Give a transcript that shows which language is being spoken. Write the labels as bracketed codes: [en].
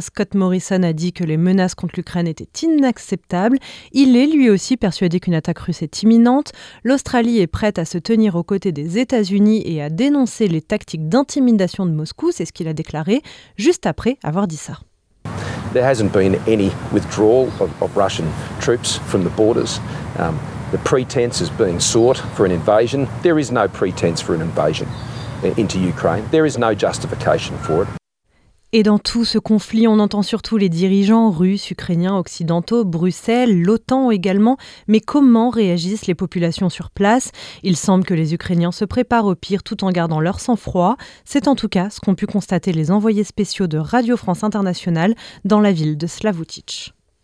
[fr] Scott Morrison a dit que les menaces contre l'Ukraine étaient inacceptables. Il est lui aussi persuadé qu'une attaque russe est imminente. L'Australie est prête à se tenir aux côtés des États-Unis et à dénoncer les tactiques d'intimidation de Moscou, c'est ce qu'il a déclaré juste après avoir dit ça. [en] There hasn't been any withdrawal of Russian troops from the borders. The pretense is being sought for an invasion. There is no pretense for an invasion into Ukraine. There is no justification for it. [fr] Et dans tout ce conflit, on entend surtout les dirigeants russes, ukrainiens, occidentaux, Bruxelles, l'OTAN également. Mais comment réagissent les populations sur place? Il semble que les Ukrainiens se préparent au pire tout en gardant leur sang-froid. C'est en tout cas ce qu'ont pu constater les envoyés spéciaux de Radio France Internationale dans la ville de Slavoutych.